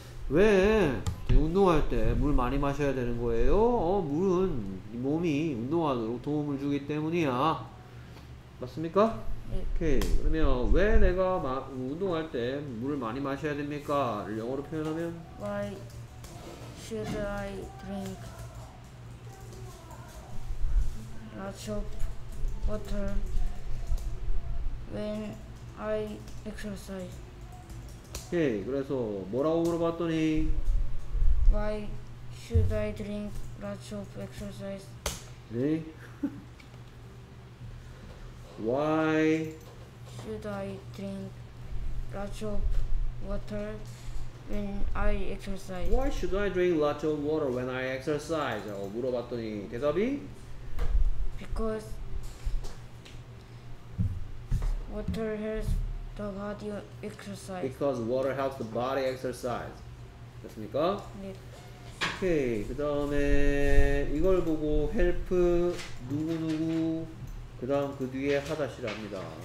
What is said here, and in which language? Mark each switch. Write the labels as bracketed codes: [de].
[ko] 왜 운동할 때 물 많이 마셔야 되는 거예요? 물은 몸이 운동하도록 도움을 주기 때문이야. 맞습니까? 네. 오케이. 그러면 왜 내가 운동할 때 물을 많이 마셔야 됩니까? 를 영어로 표현하면 [en] Why should I drink lots of water when I exercise? [ko] 오케이. 그래서 뭐라고 물어봤더니 [en] Why should I drink lots of exercise? [ko] 네? [en] Why should I drink lots of water when I exercise? Why should I drink lots of water when I exercise? [ko] 라고 물어봤더니 대답이? [en] Because water helps the body exercise. Because water helps the body exercise. [ko] 됐습니까? 네. 오케이, 그 다음에 이걸 보고 help 누구누구 그 다음 그 뒤에 하다시랍니다.